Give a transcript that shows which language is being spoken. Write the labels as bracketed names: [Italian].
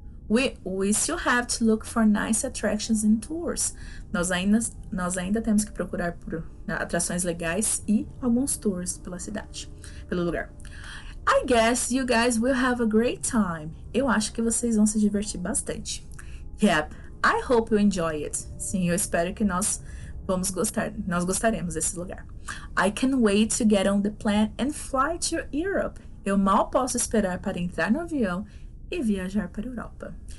[English] We still have to look for nice attractions and tours. [Portuguese] Nós ainda temos que procurar por atrações legais e alguns tours pela cidade, pelo lugar. [English] I guess you guys will have a great time. [Portuguese] Eu acho que vocês vão se divertir bastante. [English] Yep, I hope you enjoy it. [Portuguese] Sim, eu espero que nós gostaremos desse lugar. [English] I can wait to get on the plane and fly to Europe. [Portuguese] Eu mal posso esperar para entrar no avião e viajar para a Europa.